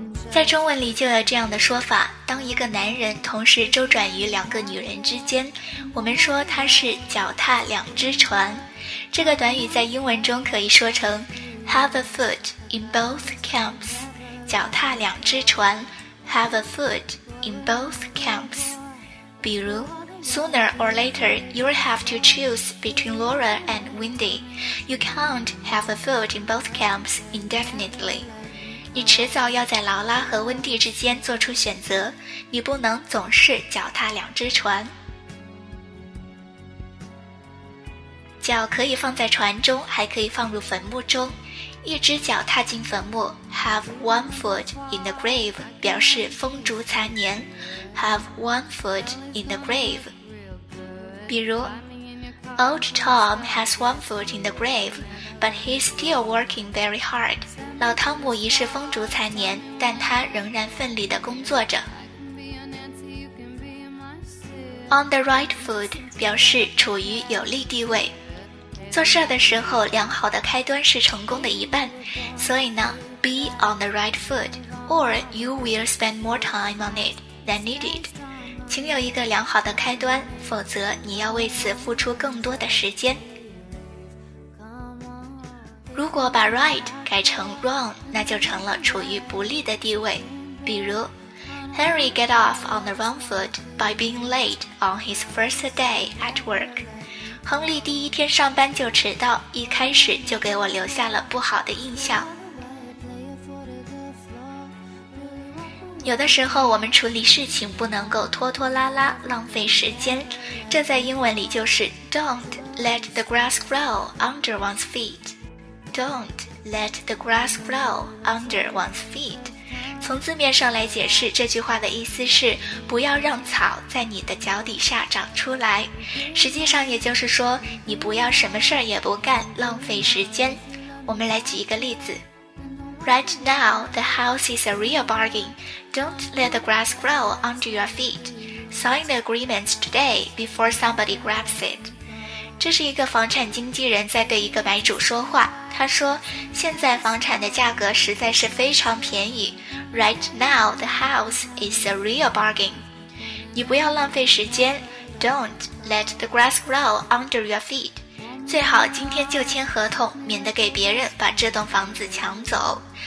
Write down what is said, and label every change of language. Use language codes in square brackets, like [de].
[zh] 在中文里就有这样的说法，当一个男人同时周转于两个女人之间，我们说他是脚踏两只船。这个短语在英文中可以说成 [en] have a foot in both camps， [zh] 脚踏两只船， have a foot in both camps。比如 [en] sooner or later you'll have to choose between Laura and Wendy， you can't have a foot in both camps indefinitely。 [zh] 你迟早要在劳拉和温蒂之间做出选择，你不能总是脚踏两只船。脚可以放在船中，还可以放入坟墓中。一只脚踏进坟墓 ， [en] have one foot in the grave， [zh] 表示风烛残年 ，have one foot in the grave。比如 [en] ，Old Tom has one foot in the grave， but he's still working very hard。 [zh] 老汤姆已是风烛残年，但他仍然奋力地工作着。 [en] On the right foot [zh] 表示处于有利地位，做事的时候良好的开端是成功的一半，所以呢 [en] Be on the right foot or you will spend more time on it than needed， [zh] 请有一个良好的开端，否则你要为此付出更多的时间。如果把 right 改成 wrong， 那就成了处于不利的地位。比如 [en] ，Henry get off on the wrong foot by being late on his first day at work。 [zh] 亨利第一天上班就迟到，一开始就给我留下了不好的印象。有的时候我们处理事情不能够拖拖拉拉，浪费时间，这在英文里就是 [en] don't let the grass grow under one's feet。 Don't let the grass grow under one's feet。 [zh] 从字面上来解释，这句话的意思是不要让草在你的脚底下长出来，实际上也就是说你不要什么事儿也不干，浪费时间。我们来举一个例子， [en] Right now the house is a real bargain. Don't let the grass grow under your feet. Sign the agreement today before somebody grabs it。 [zh] 这是一个房产经纪人在对一个买主说话，他说现在房产的价格实在是非常便宜， [en] Right now the house is a real bargain。 [zh] 你不要浪费时间， [en] Don't let the grass grow under your feet， [zh] 最好今天就签合同，免得给别人把这栋房子抢走。